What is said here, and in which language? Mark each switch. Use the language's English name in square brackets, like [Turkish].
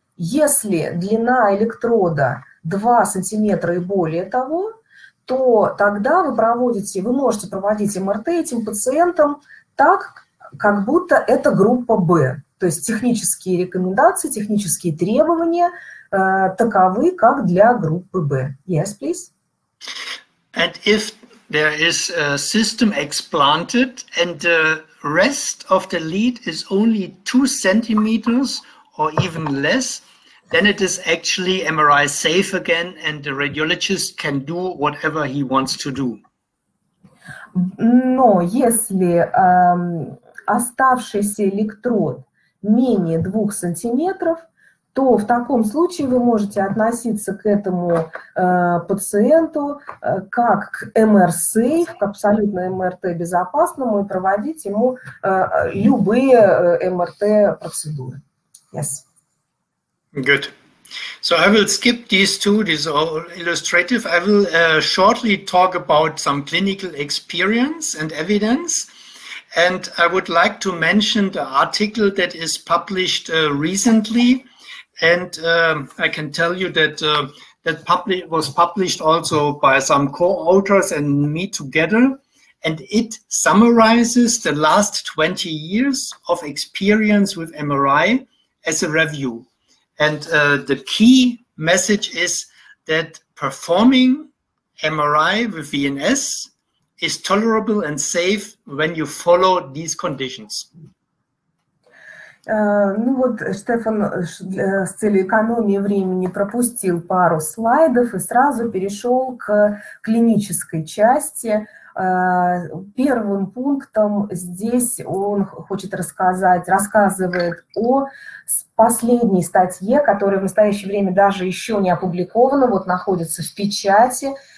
[Russian] Если длина электрода 2 сантиметра и более того, то тогда вы можете проводить МРТ этим пациентам так, как будто это группа Б. То есть технические рекомендации, технические требования таковы, как для группы Б. [English] Yes, please. And if there is a system explanted and the rest of the lead is only 2 centimeters or even less, then it is actually MRI safe again, and the radiologist can do whatever he wants to do. [Russian] Но если оставшийся электрод менее 2 сантиметров, то в таком случае вы можете относиться к этому пациенту как к MR-safe, к абсолютно MRT-безопасному, и проводить ему любые MRT-процедуры. [English] Yes. Good. So I will skip these two, these are illustrative. I will shortly talk about some clinical experience and evidence. And I would like to mention the article that is published recently. And I can tell you that was published also by some co-authors and me together. And it summarizes the last 20 years of experience with MRI as a review. And the key message is that performing MRI with VNS is tolerable and safe when you follow these conditions. [Russian] Ну вот, Штефан с целью экономии времени пропустил пару слайдов и сразу перешел к клинической части. Первым пунктом здесь он хочет рассказывает о последней статье, которая в настоящее время даже еще не опубликована, вот находится в печати.